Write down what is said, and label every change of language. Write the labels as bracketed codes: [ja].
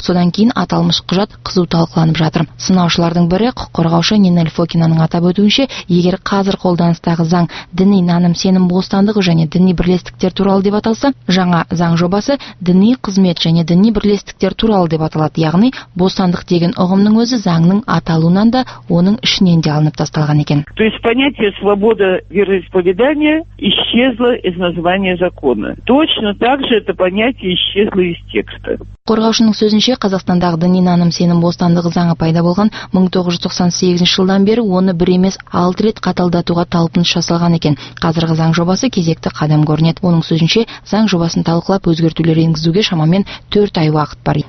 [kk] Содан кейін аталмыш құжат қызу талқыланып жатыр. Сынаушылардың бірі құқық қорғаушы Нина Фокинаның атап өтуінше, егер қазір қолданыстағы заң діни наным-сенім бостандығы және діни бірлестіктер туралы деп аталса, жаңа заң жобасы діни қызмет және діни бірлестіктер туралы деп аталады. Яғни, бостандық деген ұғымның өзі заңның аталуынан да оның ішінен де алынып тасталған екен. [ru] То есть понятие свобода вероисповедания исчезло из названия закона. Точно так же это понятие исчезло из текста. [kk] Қорғаушының сөзінше, Қазақстандағы діни наным-сенім бостандығы заңы пайда болған 1998 жылдан бері оны бір емес 6 рет қаталдатуға талпыныс жасалған екен. Қазіргі заң жобасы кезекті қадам көрінеді. Оның сөзінше, заң жобасын талқылап өзгертулер енгізуге шамамен 4 ай уақыт бар.